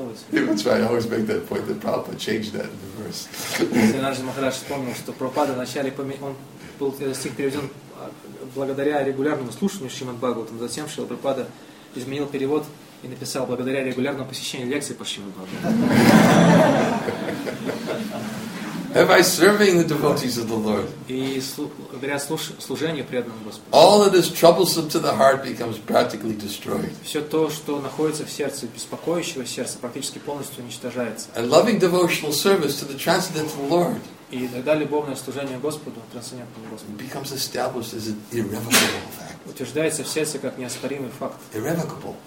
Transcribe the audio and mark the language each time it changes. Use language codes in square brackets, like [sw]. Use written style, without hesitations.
[en] Yeah, that's right. I always make that point that Prabhupada changed that in the verse. [ru] Sinarji Maharaj вспомнил, что Прабхупада вначале он был стих переведен благодаря регулярному слушанию Шримад Бхагаватам, затем Шрила Прабхупада изменил перевод. И написал благодаря регулярному посещению лекции по Шримад Бхагаватам. [en] By serving the devotees of the Lord. [ru] И благодаря служению преданному Господу. [en] All that is troublesome to the heart becomes practically destroyed. [ru] Все то, что находится в сердце беспокоящего сердца, практически полностью уничтожается. [en] And loving devotional service to the transcendental Lord. [ru] И тогда любовное служение Господу, трансцендентному Господу. [en] Becomes established as an irrevocable fact. [ru] Утверждается в сердце как неоспоримый факт. [en] Irrevocable.